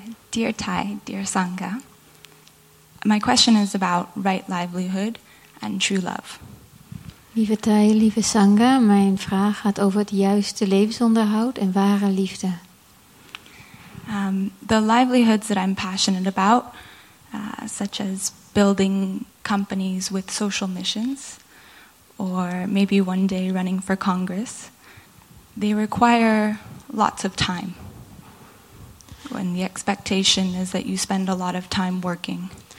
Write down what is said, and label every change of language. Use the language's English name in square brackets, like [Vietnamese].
[English] Dear Thai, dear Sangha, my question is about right livelihood and true love. [Dutch] Lieve Thai, lieve Sangha, mijn vraag gaat over het juiste levensonderhoud en ware liefde. [English] The livelihoods that I'm passionate about such as building companies with social missions, or maybe one day running for Congress, they require lots of time, when the expectation is that you spend a lot of time working.